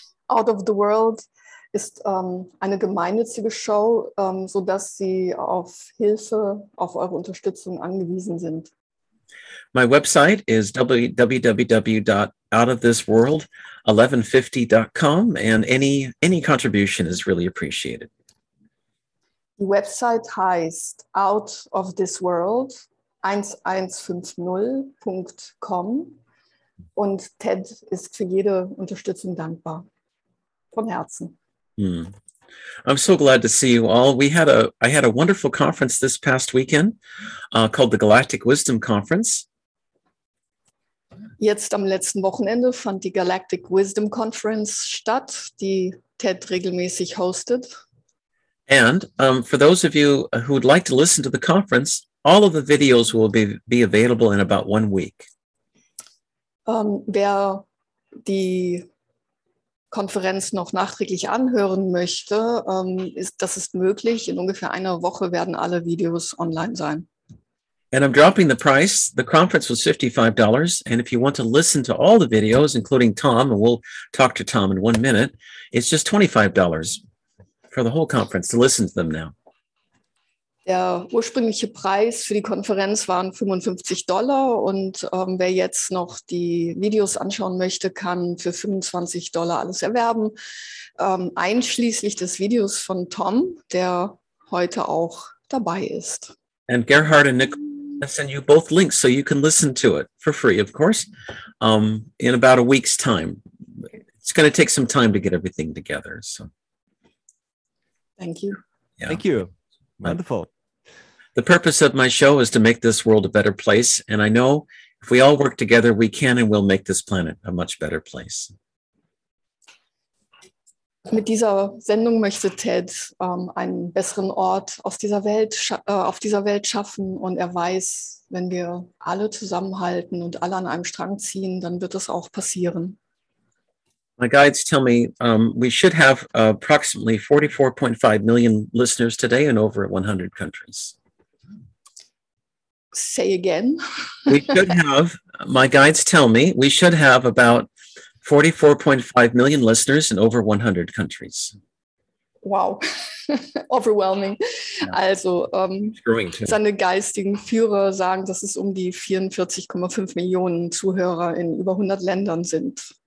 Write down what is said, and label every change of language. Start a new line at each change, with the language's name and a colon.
German: Out of the World ist eine gemeinnützige Show, sodass sie auf Hilfe, auf eure Unterstützung angewiesen sind.
English: My website is www.outofthisworld1150.com and any contribution is really appreciated.
German: Die Website heißt outofthisworld1150.com und Ted ist für jede Unterstützung dankbar. Von Herzen.
English: I'm so glad to see you all. I had a wonderful conference this past weekend called the Galactic Wisdom Conference.
German: Jetzt am letzten Wochenende fand die Galactic Wisdom Conference statt, die Ted regelmäßig hostet.
English: And for those of you who would like to listen to the conference, all of the videos will be available in about 1 week.
German: Wer die Konferenz noch nachträglich anhören möchte, das ist möglich. In ungefähr einer Woche werden alle Videos online sein.
English: And I'm dropping the price. The conference was $55. And if you want to listen to all the videos, including Tom, and we'll talk to Tom in 1 minute, it's just $25 for the whole conference to listen to them now.
German: Der ursprüngliche Preis für die Konferenz waren $55 und wer jetzt noch die Videos anschauen möchte, kann für $25 alles erwerben, einschließlich des Videos von Tom, der heute auch dabei ist.
English: And Gerhard and Nick, I send you both links so you can listen to it for free, of course, in about a week's time. It's going to take some time to get everything together. So. Thank you. Yeah. Thank you. Wonderful. The purpose of my show is to make this world a better place. And I know if we all work together, we can and will make this planet a much better place.
German: Mit dieser Sendung möchte Ted einen besseren Ort auf dieser Welt schaffen. Und er weiß, wenn wir alle zusammenhalten und alle an einem Strang ziehen, dann wird das auch passieren.
English: My guides tell me we should have approximately 44.5 million listeners today in over 100 countries. Say again. My guides tell me we should have about 44.5 million listeners in over 100 countries. Wow. Overwhelming. Yeah.
German: Also, seine geistigen Führer sagen, dass es um die 44,5 Millionen Zuhörer in über 100 Ländern sind.